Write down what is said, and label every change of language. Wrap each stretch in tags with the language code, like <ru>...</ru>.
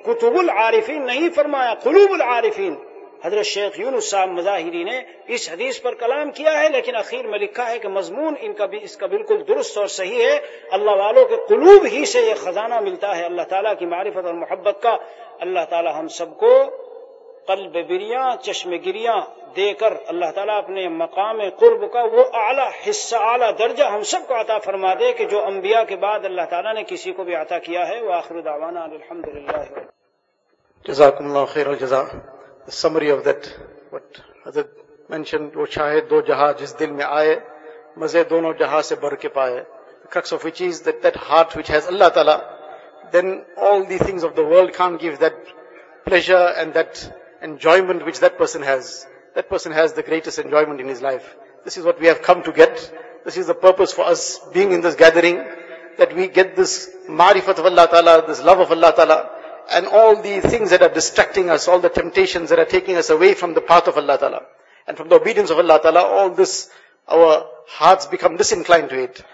<ur>کتب العارفین نہیں فرمایا، قلوب العارفین. حضرت شیخ یونس صاحب مظاہری نے اس حدیث پر کلام کیا ہے لیکن اخیر میں لکھا ہے کہ مضمون ان کا بھی اس کا بالکل درست اور صحیح ہے، اللہ والوں کے قلوب ہی سے یہ خزانہ ملتا ہے اللہ تعالیٰ کی معرفت اور محبت کا. اللہ تعالیٰ ہم سب کو قلب بریاں چشم گریاں دے کر اللہ تعالیٰ اپنے مقام قرب کا وہ اعلیٰ حصہ اعلیٰ درجہ ہم سب کو عطا فرما دے کہ جو انبیاء کے بعد اللہ تعالیٰ نے کسی کو بھی عطا کیا ہے.</ur> <ar>وآخر دعوانا ان الحمد للہ. جزاکم اللہ خیر الجزاء.</ar> <en>The summary of that, what Hazrat mentioned,</en> <ur>وہ شاہد دو جہاں جس دل میں آئے مزے دونوں جہاں سے بھر کے پائے.</ur> <en>The crux of which is that heart which has Allah Ta'ala, then all the things of the world can't give that pleasure and that enjoyment which that person has. That person has the greatest enjoyment in his life. This is what we have come to get. This is the purpose for us being in this gathering, that we get this marifat of Allah Ta'ala, this love of Allah Ta'ala, and all the things that are distracting us, all the temptations that are taking us away from the path of Allah Ta'ala and from the obedience of Allah Ta'ala, all this, our hearts become disinclined to it.</en>